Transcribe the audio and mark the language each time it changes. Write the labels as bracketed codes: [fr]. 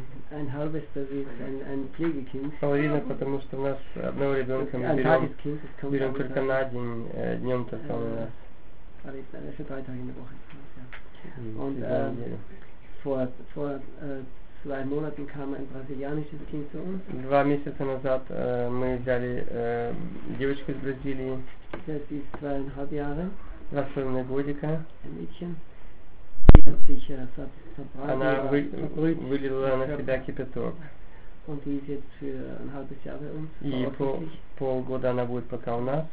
[de] Ein halbes, das ist ein Pflegekind. [ru] Половина, потому что у нас одного ребенка мы берем только на день, днем только у нас. [de] Zwei Monaten kam ein brasilianisches Kind zu uns. [ru] Два месяца назад мы взяли девочку из Бразилии. [de] Das ist 2,5 Jahre. [ru] 2,5 годика. [de] Ein Mädchen. Sie hat sich verbrannt. [ru] Она вылила на себя кипяток. [de] Und die ist jetzt für ein halbes Jahr bei uns. [ru] И полгода она будет пока у нас.